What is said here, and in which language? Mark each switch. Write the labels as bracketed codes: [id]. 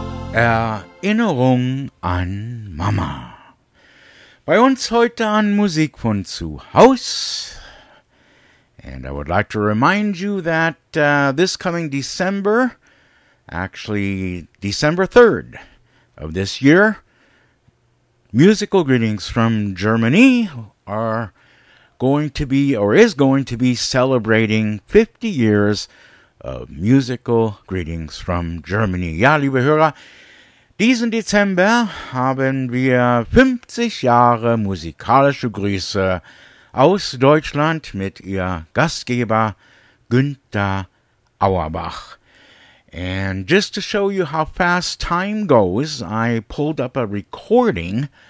[de] Erinnerung an Mama. Bei uns heute an Musik von zu Haus. [en] And I would like to remind you that this coming December, actually December 3rd of this year, musical greetings from Germany are going to be, or is going to be, celebrating 50 years of musical greetings from Germany. [de] Ja, liebe Hörer, diesen Dezember haben wir 50 Jahre musikalische Grüße aus Deutschland mit ihr Gastgeber Günther Auerbach. [en] And just to show you how fast time goes, I pulled up a recording